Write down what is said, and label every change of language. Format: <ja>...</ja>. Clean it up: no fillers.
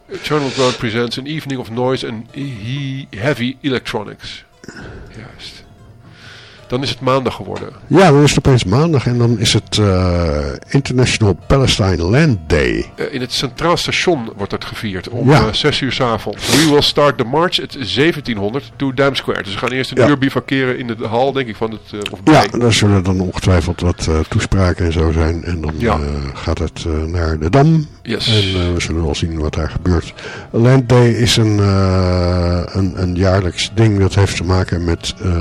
<en>Eternal Ground presents an evening of noise and heavy electronics.</en> <nl>Juist. Dan is het maandag geworden. Ja, dan is het opeens maandag en dan is het International Palestine Land Day. In het Centraal Station wordt dat gevierd om 6 uur 's avonds.</nl> <en>We will start the march at 1700 to Dam Square.</en> <nl>Dus we gaan eerst een uur bivakeren in de hal, denk ik, van het... daar zullen dan ongetwijfeld wat toespraken en zo zijn. En dan gaat het naar de Dam.</nl> <en>Yes.</en> <nl>En we zullen wel zien wat daar gebeurt. Land Day is een jaarlijks ding dat heeft te maken met...</nl>